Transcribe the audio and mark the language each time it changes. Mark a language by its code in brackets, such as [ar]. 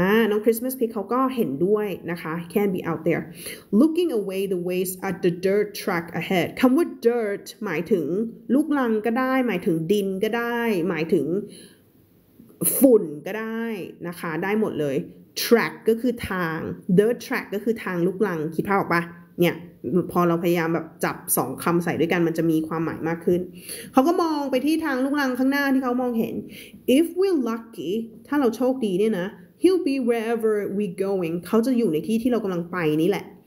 [th] น้อง Christmas pig เขาก็เห็นด้วยนะคะ [en] He can't be out there. Looking away the waste at the dirt track ahead. [th] คำว่า dirt หมายถึงลูกรังก็ได้หมายถึงดินก็ได้หมายถึงฝุ่นก็ได้นะคะได้หมดเลย track ก็คือทาง the track ก็คือทางลูกลังคิดภาพออกปะเนี่ยพอเราพยายามแบบจับสองคำใส่ด้วยกันมันจะมีความหมายมากขึ้นเขาก็มองไปที่ทางลูกลังข้างหน้าที่เขามองเห็น [en] if we're lucky [th] ถ้าเราโชคดีเนี่ยนะ [en] he'll be wherever we going [th] เขาจะอยู่ในที่ที่เรากำลังไปนี่แหละ